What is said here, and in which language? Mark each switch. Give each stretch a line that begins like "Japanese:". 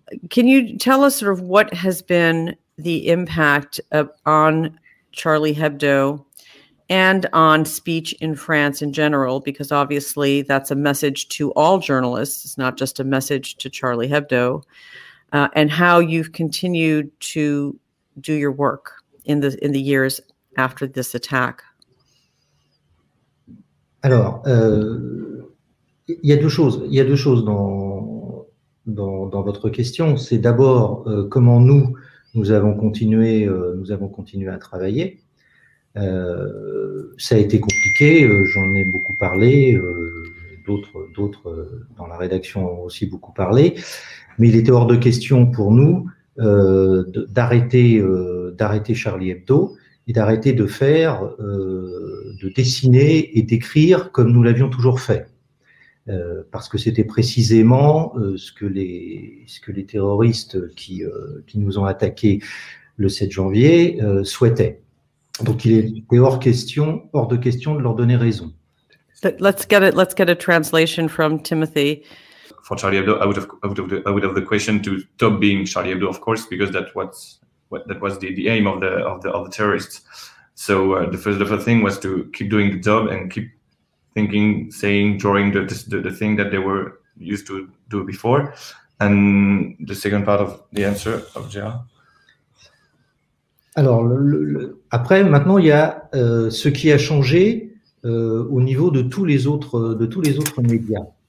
English: Can you tell us sort of what has been the impact on Charlie Hebdo and on speech in France in general? Because obviously that's a message to all journalists. It's not just a message to Charlie Hebdo. And how you've continued to do your work in the years after this attack.
French: Alors, il y a deux choses dans votre question. C'est d'abord comment nous avons continué à travailler. Ça a été compliqué. J'en ai beaucoup parlé. D'autres dans la rédaction ont aussi beaucoup parlé. Mais il était hors de question pour nous d'arrêter Charlie Hebdo et d'arrêter de faire, de dessiner et d'écrire comme nous l'avions toujours fait. Parce que c'était précisément ce que les terroristes qui nous ont attaqués le 7 janvier souhaitaient. Donc il était hors de question de leur donner raison.
English: Let's get a translation from Timothy. For Charlie Hebdo, I would have the question to stop being Charlie Hebdo, of course, because that was the aim of the terrorists. So the first thing was to keep doing the job and keep thinking, saying, drawing the thing that they were used to do before. And the second part of the answer of Gérard.
French: Alors après maintenant il y a ce qui a changé au niveau de tous les autres médias.